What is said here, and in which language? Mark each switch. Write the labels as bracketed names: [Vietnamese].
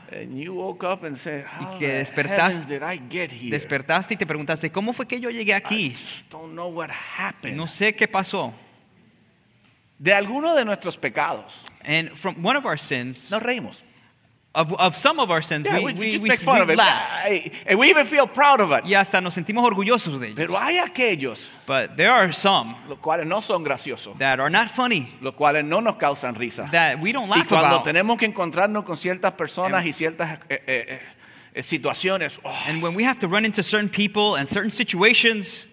[English] And you woke up and said, how the heavens did I get here? [Spanish] Despertaste y te preguntaste, ¿cómo fue que yo llegué aquí? [English] I just don't know what happened. [Spanish] No sé qué pasó. De alguno de nuestros pecados. [English] And from one of our sins. [Spanish] Nos reímos. [English] Of some of our sins, yeah, we laugh. And we even feel proud of it. [Spanish] Y hasta nos sentimos orgullosos de ellos. Pero hay aquellos. [English] But there are some. [Spanish] Los cuales no son graciosos. [English] That are not funny. [Spanish] Los cuales no nos causan risa. [English] That we don't laugh about. [Spanish] Y cuando tenemos que encontrarnos con ciertas personas y ciertas situaciones. [English] And when we have to run into certain people and certain situations.